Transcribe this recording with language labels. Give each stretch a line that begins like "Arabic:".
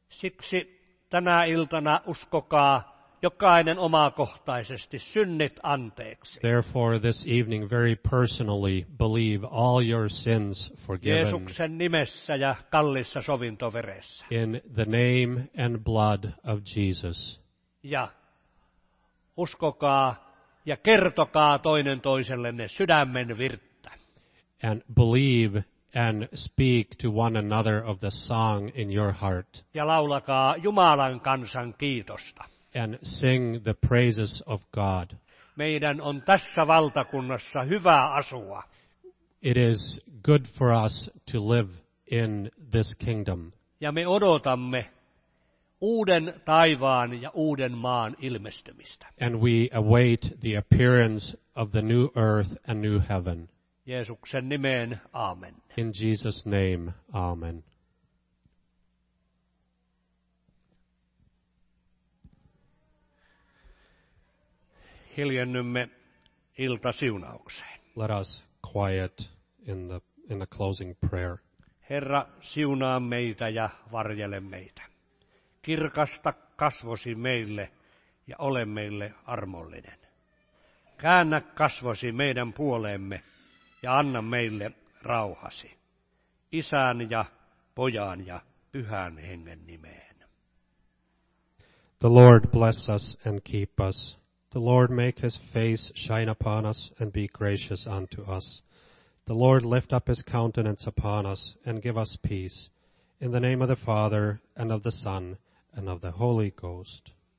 Finnish: Siksi tänä iltana uskokaa jokainen omakohtaisesti synnit anteeksi.
English: Therefore this evening very personally believe all your sins forgiven.
Finnish: Jeesuksen nimessä ja kallissa sovintoveressä.
English: In the name and blood of Jesus.
Finnish: Ja uskokaa ja kertokaa toinen toisellenne sydämen virttä.
English: And believe and speak to one another of the song in your heart.
Finnish: Ja laulakaa Jumalan kansan kiitosta.
English: And sing the praises of God.
Finnish: Meidän on tässä valtakunnassa hyvä asua.
English: It is good for us to live in this kingdom.
Finnish: Ja me odotamme uuden taivaan ja uuden maan ilmestymistä.
English: And we await the appearance of the new earth and new heaven.
Finnish: Jeesuksen nimeen, amen.
English: In Jesus' name, amen.
Finnish: Hiljennymme iltasiunaukseen.
English: Let us quiet in the closing prayer.
Finnish: Herra, siunaa meitä ja varjele meitä. Kirkasta kasvosi meille ja ole meille armollinen. Käännä kasvosi meidän puoleemme ja anna meille rauhasi. Isän ja Pojan ja Pyhän Hengen nimeen.
English: The Lord bless us and keep us. The Lord make his face shine upon us and be gracious unto us. The Lord lift up his countenance upon us and give us peace. In the name of the Father and of the Son and of the Holy Ghost.